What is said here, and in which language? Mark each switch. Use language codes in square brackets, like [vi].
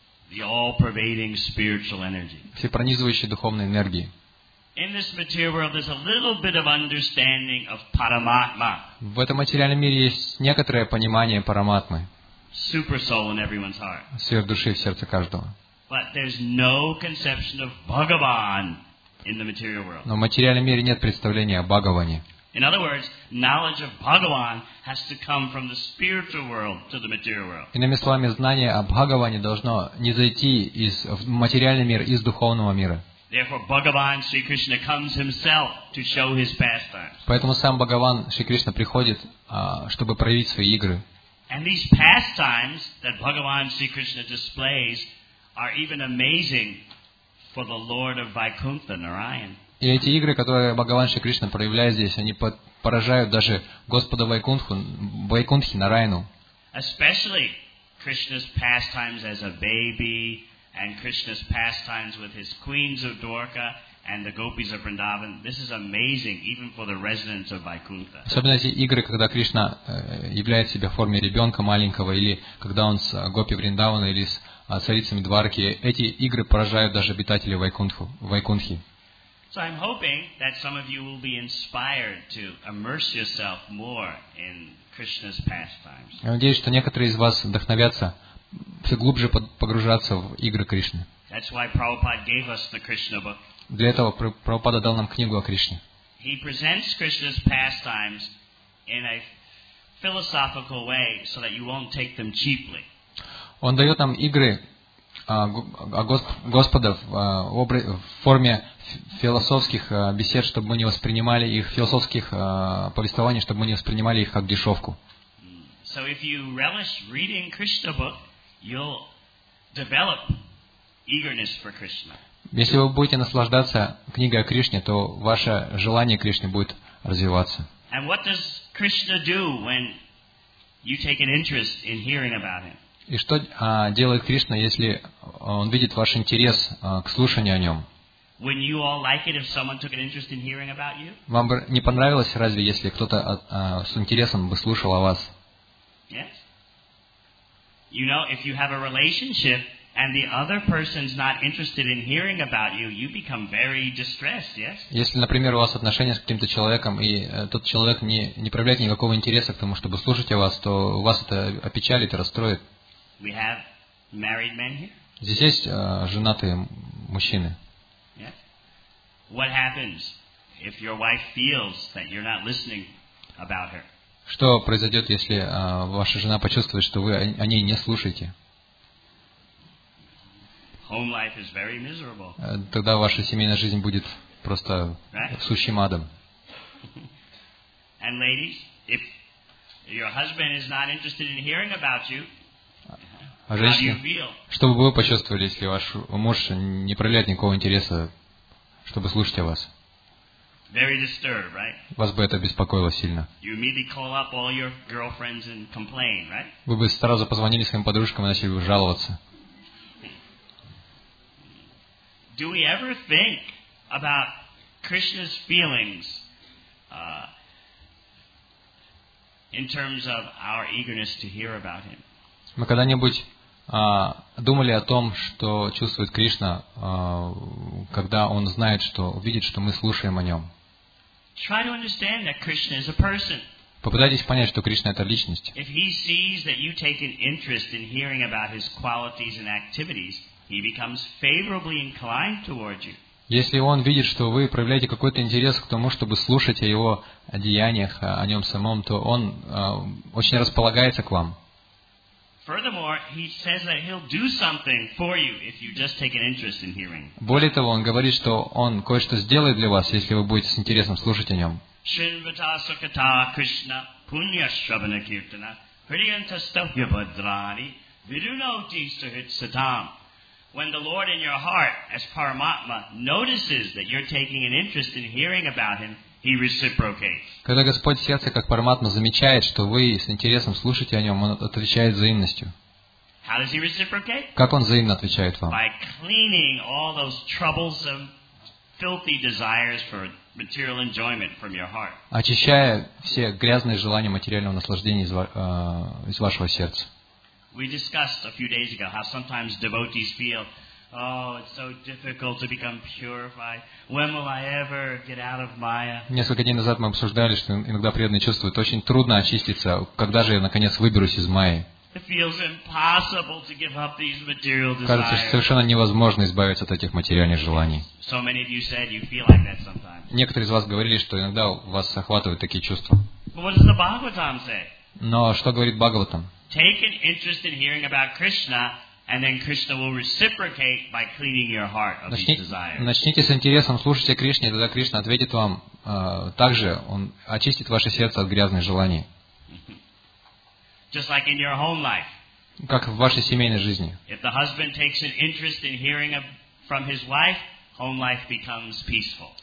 [en] The all-pervading spiritual energy. [ru] Всепронизывающей духовной энергии. [en] In this material world, there's a little bit of understanding of Paramatma. [ru] В этом материальном мире есть некоторое понимание Параматмы. [en] Super soul in everyone's heart. [ru] Сверхдуши в сердце каждого. [en] But there's no conception of Bhagavan in the material world. [ru] Но в материальном мире нет представления о Бхагаване. [en] In other words, knowledge of Bhagavan has to come from the spiritual world to the material world. [ru] Иными словами, знание о Бхагаване должно не зайти из материального мира из духовного мира. [en] Therefore, Bhagavan Sri Krishna comes himself to show his pastimes. [ru] Поэтому сам Бхагаван Шри Кришна приходит, чтобы проявить свои игры. [en] And these pastimes that Bhagavan Sri Krishna displays are even amazing for the Lord of Vaikuntha, Narayan. [ru] И эти игры, которые Бхагаван Шри Кришна проявляет здесь, они поражают даже Господа Вайкунтхи Нараяну. [en] Especially Krishna's pastimes as a baby. And Krishna's pastimes with his queens of Dwarka and the gopis of Vrindavan. This is amazing, even for the residents of Vaikuntha. [ru] Особенно эти игры, когда Кришна являет себя в форме ребенка маленького, или когда он с гопи Вриндавана или с царицами Дварки, эти игры поражают даже обитателей Вайкунтхи. [en] So I'm hoping that some of you will be inspired to immerse yourself more in Krishna's pastimes. [ru] Я надеюсь, что некоторые из вас вдохновятся. Все глубже погружаться в игры Кришны. [en] That's why Prabhupada gave us the Krishna book. [ru] Для этого Прабхупада дал нам книгу о Кришне. [en] He presents Krishna's pastimes in a philosophical way so that you won't take them cheaply. [ru] Он дает нам игры Господа в форме философских бесед, чтобы мы не воспринимали их философских повествований, чтобы мы не воспринимали их как дешевку. [en] So if you relish reading Krishna book, you'll develop eagerness for Krishna. [ru] Если вы будете наслаждаться книгой о Кришне, то ваше желание к Кришне будет развиваться. [en] And what does Krishna do when you take an interest in hearing about him? [ru] И что делает Кришна, если он видит ваш интерес к слушанию о нем? [en] Wouldn't you all like it if someone took an interest in hearing about you? [ru] Вам бы не понравилось, разве, если кто-то с интересом бы слушал о вас? [en] Yes. You know, if you have a relationship and the other person's not interested in hearing about you, you become very distressed, yes? [ru] Если, например, у вас отношения с каким-то человеком, и тот человек не проявляет никакого интереса к тому, чтобы слушать о вас, то вас это опечалит и расстроит. [en] We have married men here. [ru] Здесь есть женатые мужчины. [en] Yes. What happens if your wife feels that you're not listening about her? [ru] Что произойдет, если ваша жена почувствует, что вы о ней не слушаете? [en] Home life is very miserable. [ru] Тогда ваша семейная жизнь будет просто сущим адом. [en] And ladies, if your husband is not interested in hearing about you, [ru] женщины, что бы вы почувствовали, если ваш муж не проявляет никакого интереса, чтобы слушать о вас? [en] Very disturbed, right? [ru] Вас бы это беспокоило сильно. [en] You immediately call up all your girlfriends and complain, right? [ru] Вы бы сразу позвонили своим подружкам и начали бы жаловаться. [en] Do we ever think about Krishna's feelings in terms of our eagerness to hear about him? [ru] Мы когда-нибудь думали о том, что чувствует Кришна, когда он знает, что видит, что мы слушаем о нем? [en] Try to understand that Krishna is a person. [ru] Попытайтесь понять, что Кришна — это личность. [en] If he sees that you take an interest in hearing about his qualities and activities, he becomes favorably inclined towards you. [ru] Если он видит, что вы проявляете какой-то интерес к тому, чтобы слушать о его деяниях, о нем самом, то он очень располагается к вам. [en] Furthermore, he says that he'll do something for you if you just take an interest in hearing. [ru] Более того, он говорит, что он кое-что сделает для вас, если вы будете с интересом слушать о нем. [sa] Shrinvata sukata Krishna punya shravana kirtana hridayanta stavya badrani virunoti sahit satam. [en] When the Lord in your heart as Paramatma notices that you're taking an interest in hearing about him, he reciprocates. [ru] Когда Господь в сердце как Параматма замечает, что вы с интересом слушаете о нем, он отвечает взаимностью. [en] How does he reciprocate? [ru] Как он взаимно отвечает вам? [en] By cleaning all those troublesome, filthy desires for material enjoyment from your heart. [ru] Очищая все грязные желания материального наслаждения из вашего сердца. [en] We discussed a few days ago how sometimes devotees feel, oh, it's so difficult to become purified. When will I ever get out of Maya? [ru] Несколько дней назад мы обсуждали, что иногда преданные чувствуют, очень трудно очиститься. Когда же я наконец выберусь из Майи? [en] It feels impossible to give up these material desires. [ru] Кажется, что совершенно невозможно избавиться от этих материальных желаний. [en] So many of you said you feel like that sometimes. [ru] Некоторые из вас говорили, что иногда вас охватывают такие чувства. [en] But what does the Bhagavatam say? [ru] Но что говорит Бхагаватам? [en] Take an interest in hearing about Krishna. And then Krishna will reciprocate by cleaning your heart of these desires. [ru] Начните с интересом слушать о Кришне, тогда Кришна ответит вам также. Он очистит ваше сердце от грязных желаний. [en] Just like in your home life. [ru] Как в вашей семейной жизни. [en] If the husband takes an interest in hearing from his wife, home life becomes peaceful.